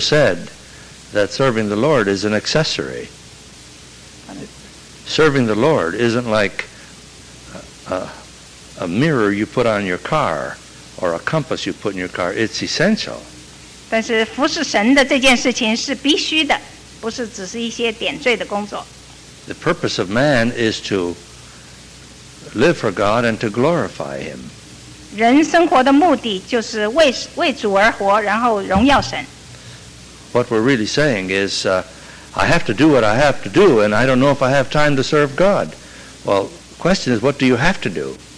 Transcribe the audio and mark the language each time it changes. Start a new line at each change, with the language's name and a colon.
English: said that serving the Lord is an accessory? Serving the Lord isn't like a mirror you put on your car or a compass you put in your car, it's essential.
Chinese: 但是服侍神的这件事情是必须的，不是只是一些点缀的工作。
English: The purpose of man is to live for God and to glorify Him.
Chinese: 人生活的目的就是为主而活，然后荣耀神。
English: What we're really saying is, I have to do what I have to do, and I don't know if I have time to serve God. Well, the question is, what do you have to do?